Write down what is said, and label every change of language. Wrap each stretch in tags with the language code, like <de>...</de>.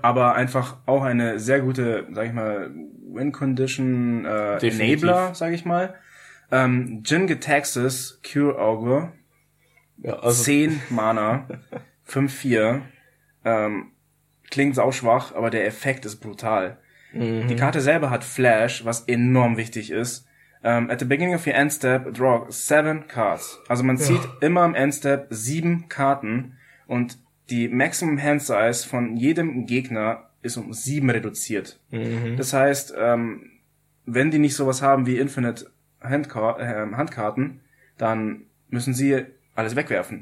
<de>Aber einfach auch eine sehr gute, sag ich mal, Win-Condition-Enabler, sag ich mal. Jhin Getaxas, Cure Augur, ja, also 10 Mana, 5-4, klingt sauschwach, aber der Effekt ist brutal. Mhm. Die Karte selber hat Flash, was enorm wichtig ist.</de> <en>At the beginning of your end step, draw 7 cards.</en> <de>Also man zieht immer im Endstep 7 Karten und die Maximum Hand Size von jedem Gegner ist um 7 reduziert. Mhm. Das heißt, wenn die nicht sowas haben wie Infinite Handkarten, dann müssen sie alles wegwerfen.</de>